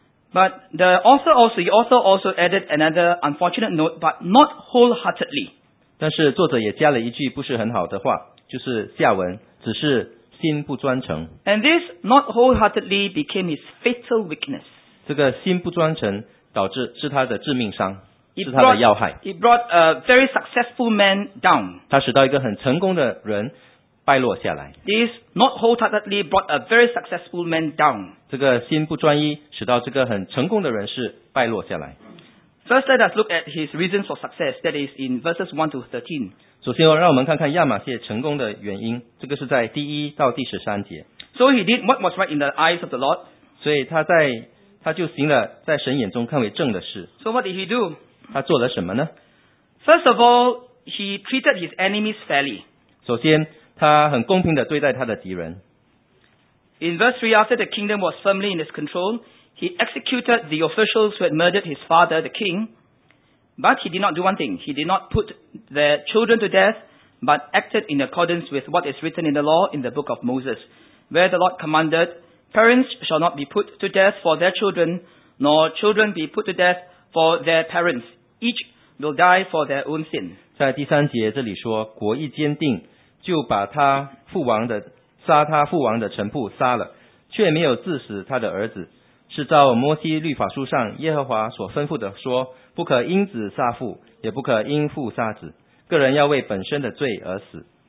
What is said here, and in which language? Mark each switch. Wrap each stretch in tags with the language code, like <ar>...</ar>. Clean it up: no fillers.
<en>But the author also added another unfortunate note, but not wholeheartedly.</en> <zh>但是作者也加了一句不是很好的话，就是下文，只是心不专诚。</zh> <en>And this not wholeheartedly became his fatal weakness.</en> <zh>这个心不专诚导致是他的致命伤，是他的要害。</zh> <en>It brought a very successful man down.</en> <zh>他使到一个很成功的人败落下来。</zh> <en>This not wholeheartedly brought a very successful man down.</en> <zh>这个心不专一，使到这个很成功的人士败落下来。</zh> <en>First, let us look at his reasons for success. That is in verses 1-13.</en> <zh>首先，让我们看看亚玛谢成功的原因。这个是在第一到第十三节。</zh> <en>So he did what was right in the eyes of the Lord.</en> <zh>所以他就行了在神眼中看为正的事。</zh> <en>So what did he do?</en> <zh>他做了什么呢？</zh> <en>First of all, he treated his enemies fairly.</en> <zh>首先，他很公平地对待他的敌人。</zh> <en>In verse 3, after the kingdom was firmly in his control, he executed the officials who had murdered his father, the king. But he did not do one thing. He did not put their children to death, but acted in accordance with what is written in the law in the book of Moses, where the Lord commanded, Parents shall not be put to death for their children, nor children be put to death for their parents. Each will die for their own sin.</en> <zh>在第三节这里说，国一坚定，就把他父王的杀他父王的臣仆杀了，却没有致死他的儿子，是照摩西律法书上耶和华所吩咐的说，不可因子杀父，也不可因父杀子，个人要为本身的罪而死。</zh>